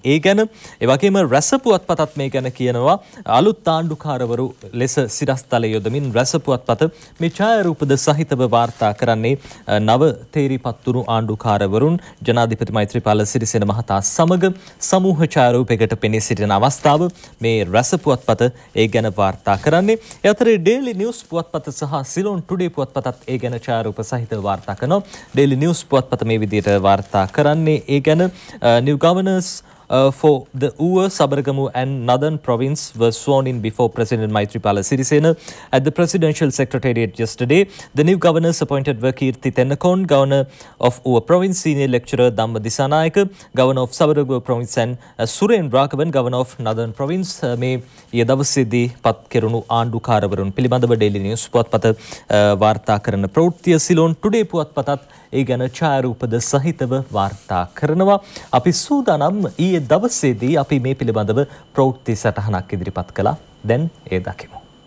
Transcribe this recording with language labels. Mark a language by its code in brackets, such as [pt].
[si] ඒ ගැන ඒ වගේම රස පුවත්පතත් මේ ගැන කියනවා. අලුත් ආණ්ඩුකාරවරු ලෙස සිරස්තල යොදමින් රස පුවත්පත මේ ඡායාරූපද සහිතව වාර්තා කරන්නේ නව තේරිපත්තුරු ආණ්ඩුකාර වරුන් ජනාධිපති මෛත්‍රීපාල සිරිසේන මහතා සමග සමූහ ඡායාරූපයකට පෙනී සිටින අවස්ථාව මේ රස පුවත්පත. ඒ ගැන වාර්තා කරන්නේ ඒ අතරේ ඩේලි නිවුස් පුවත්පත සහ සිලෝන් ටුඩේ පුවත්පතත් ඒ ගැන ඡායාරූප සහිතව වාර්තා කරනවා. ඩේලි නිවුස් පුවත්පත මේ විදිහට වාර්තා කරන්නේ ඒ ගැන [en] New governors for the Uwa, Sabaragamu and Northern Province were sworn in before President Maithripala Sirisena at the Presidential Secretariat yesterday. The new governors appointed were Kirti Tennakon, Governor of Uwa Province, Senior Lecturer Damma Disanayaka, Governor of Sabaragamu Province and Suren Rakavan, Governor of Northern Province. [si] මේ යදවසේදී පත් කෙරුණු ආණ්ඩුකාරවරුන් පිළිබඳව daily news පුවත්පත වාර්තා කරන ප්‍රවෘත්තිය Ceylon today පුවත්පතත් ඒ ගැන ඡායාරූපද සහිතව වාර්තා කරනවා. අපි සූදානම් ඊයේ දවසේදී අපි මේ පිළිබඳව ප්‍රවෘත්ති සටහනක් ඉදිරිපත් කළා. දැන් ඒ දකිමු.